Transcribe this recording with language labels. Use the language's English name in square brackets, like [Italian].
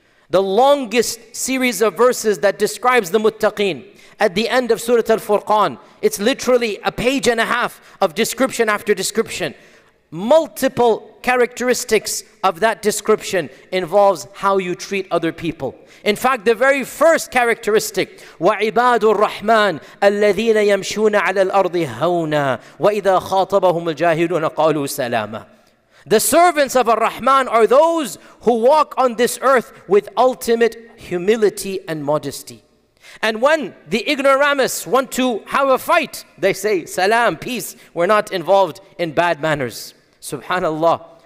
[English] The longest series of verses that describes the muttaqin at the end of Surah Al-Furqan. It's literally a page and a half of description after description. Multiple characteristics of that description involves how you treat other people. In fact, the very first characteristic, [Arabic] وَعِبَادُ الرَّحْمَنِ أَلَّذِينَ يَمْشُونَ عَلَى الْأَرْضِ هَوْنًا وَإِذَا خَاطَبَهُمُ الْجَاهِلُونَ قَالُوا سَلَامًا. [English] The servants of Ar-Rahman are those who walk on this earth with ultimate humility and modesty. And when the ignoramus want to have a fight, they say, salam, peace, we're not involved in bad manners. Subhanallah,